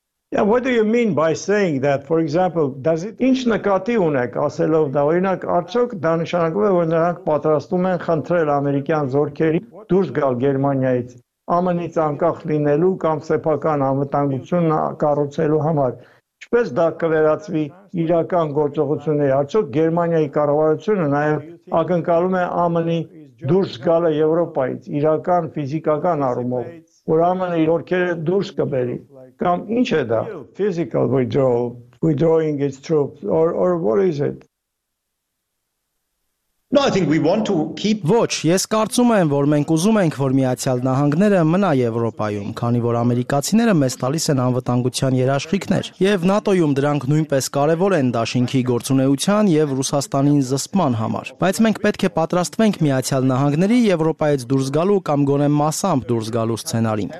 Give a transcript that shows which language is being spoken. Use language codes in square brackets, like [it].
[en] Yeah, what do you mean by saying that? For example, does it [hy] ինչ նկատի ունեք ասելով դա, օրինակ արդյոք դա նշանակում է, որ նրանք պատրաստում են խնդրել ամերիկյան զորքերին դուրս գալ Գերմանիայից, ԱՄՆ-ից անկախ լինելու կամ սեփական անվտանգություն կառուցելու համար? Ինչպես դա կվերածվի իրական գործողությունների? Արդյոք Գերմանիայի կառավարությունը նաև ակնկալում է ԱՄՆ-ի դուրս գալը Եվրոպայից իրական ֆիզիկական առումով, որ ԱՄՆ-ը զորքերը դուրս կբերի? Կամ ինչ է դա? [en] Physical withdrawal, withdrawing its troops, or what is it? No, I think we want to keep. [hy] Ոչ, ես կարծում եմ, որ մենք ուզում ենք, որ Միացյալ Նահանգները մնա Եվրոպայում, քանի որ ամերիկացիները մեզ տալիս են անվտանգության երաշխիքներ, եւ ՆԱՏՕ-ում դրանք նույնպես կարեւոր են Դաշինքի գործունեության եւ Ռուսաստանին զսպման համար։ Բայց մենք պետք է պատրաստվենք Միացյալ Նահանգների Եվրոպայից դուրս գալու կամ գոնե massamp դուրս գալու սցենարին։